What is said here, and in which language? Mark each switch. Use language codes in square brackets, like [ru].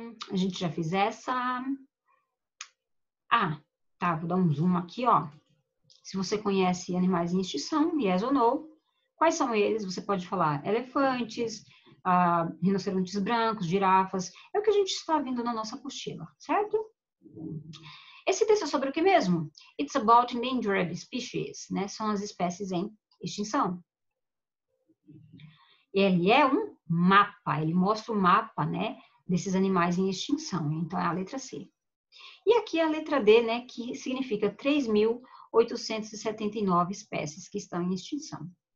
[pt] A gente já fez essa. Ah, tá, vou dar um zoom aqui, ó. Se você conhece animais em extinção, [en] yes [pt] ou no, quais são eles? Você pode falar elefantes, rinocerontes brancos, girafas. É o que a gente está vendo na nossa apostila, certo? Esse texto é sobre o que mesmo? [en] It's about endangered species, [pt] né? São as espécies em extinção. Ele é um mapa, ele mostra o mapa, né, desses animais em extinção. Então, é a letra C. E aqui a letra D, né, que significa 3.879 espécies que estão em extinção.